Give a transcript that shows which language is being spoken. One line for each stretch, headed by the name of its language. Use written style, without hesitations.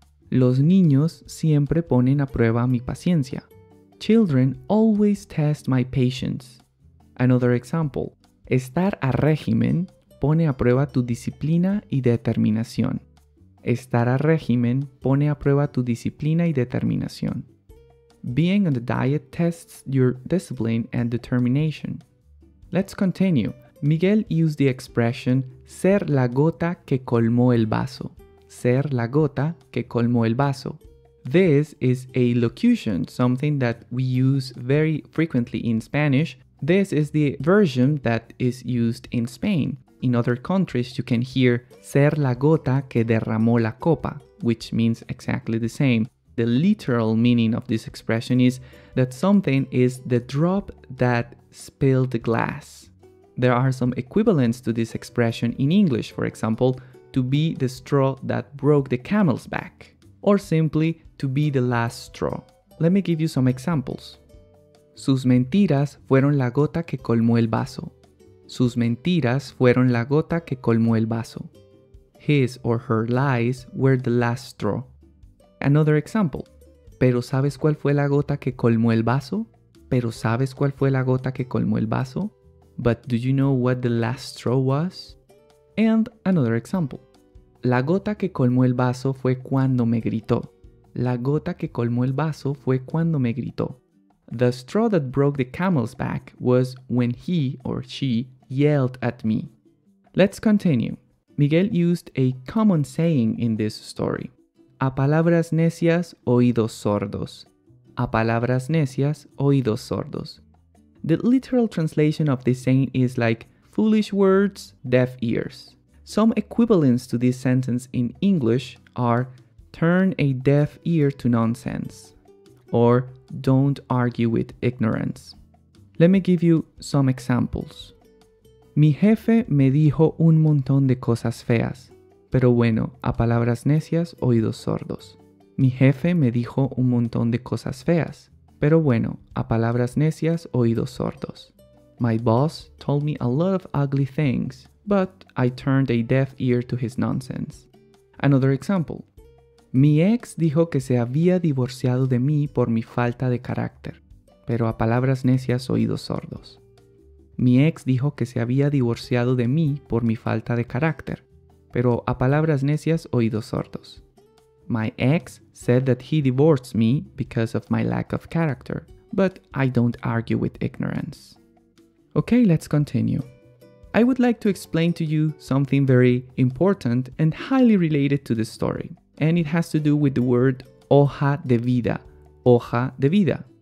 Spanish: Los niños siempre ponen a prueba mi paciencia.
English: Children always test my patience. Another example.
Spanish: Estar a régimen pone a prueba tu disciplina y determinación. Estar a régimen pone a prueba tu disciplina y determinación.
English: Being on the diet tests your discipline and determination. Let's continue. Miguel used the expression
Spanish: ser la gota que colmó el vaso. Ser la gota que colmó el vaso.
English: This is a locution, something that we use very frequently in Spanish. This is the version that is used in Spain. In other countries, you can hear
Spanish: ser la gota que derramó la copa,
English: which means exactly the same. The literal meaning of this expression is that something is the drop that spilled the glass. There are some equivalents to this expression in English, for example, to be the straw that broke the camel's back, or simply to be the last straw. Let me give you some examples.
Spanish: Sus mentiras fueron la gota que colmó el vaso. Sus mentiras fueron la gota que colmó el vaso.
English: His or her lies were the last straw. Another example.
Spanish: ¿Pero sabes cuál fue la gota que colmó el vaso? ¿Pero sabes cuál fue la gota que colmó el vaso?
English: But do you know what the last straw was? And another example.
Spanish: La gota que colmó el vaso fue cuando me gritó. La gota que colmó el vaso fue cuando me gritó.
English: The straw that broke the camel's back was when he or she yelled at me. Let's continue. Miguel used a common saying in this story.
Spanish: a palabras necias, oídos sordos. A palabras necias, oídos sordos.
English: The literal translation of this saying is like foolish words, deaf ears. Some equivalents to this sentence in English are turn a deaf ear to nonsense or don't argue with ignorance. Let me give you some examples.
Spanish: Mi jefe me dijo un montón de cosas feas, pero bueno, a palabras necias, oídos sordos. Mi jefe me dijo un montón de cosas feas, pero bueno, a palabras necias, oídos sordos.
English: My boss told me a lot of ugly things, but I turned a deaf ear to his nonsense. Another example.
Spanish: Mi ex dijo que se había divorciado de mí por mi falta de carácter, pero a palabras necias, oídos sordos. Mi ex dijo que se había divorciado de mí por mi falta de carácter, pero a palabras necias, oídos sordos.
English: My ex said that he divorced me because of my lack of character, but I don't argue with ignorance. Okay, let's continue. I would like to explain to you something very important and highly related to the story, and it has to do with the word hoja de vida. Hoja de vida.